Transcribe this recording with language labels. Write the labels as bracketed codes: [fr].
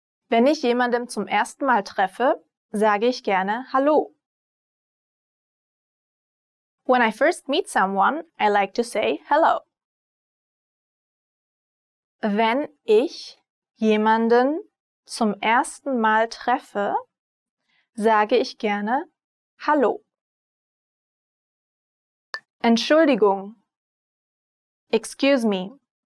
[de] Wenn ich jemanden zum ersten Mal treffe, sage ich gerne Hallo. [en] When I first meet someone, I like to say hello. [de] Wenn ich jemanden zum ersten Mal treffe, sage ich gerne Hallo. Entschuldigung. [en] Excuse me.